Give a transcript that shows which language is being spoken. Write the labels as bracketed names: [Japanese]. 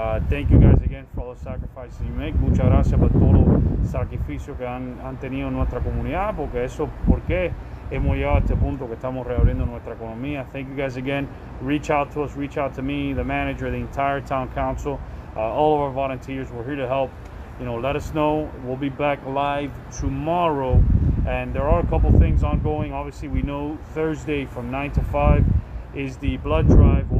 [English] Thank you guys again for all the sacrifices you make. [Spanish] Muchas gracias por todo el sacrificio que han tenido en nuestra comunidad, porque eso por qué hemos llegado a este punto que estamos reabriendo nuestra economía. [English] Thank you guys again. Reach out to us. Reach out to me, the manager, the entire town council, all of our volunteers. We're here to help. You know, let us know. We'll be back live tomorrow. And there are a couple things ongoing. Obviously, we know Thursday from 9 to 5 is the blood drive.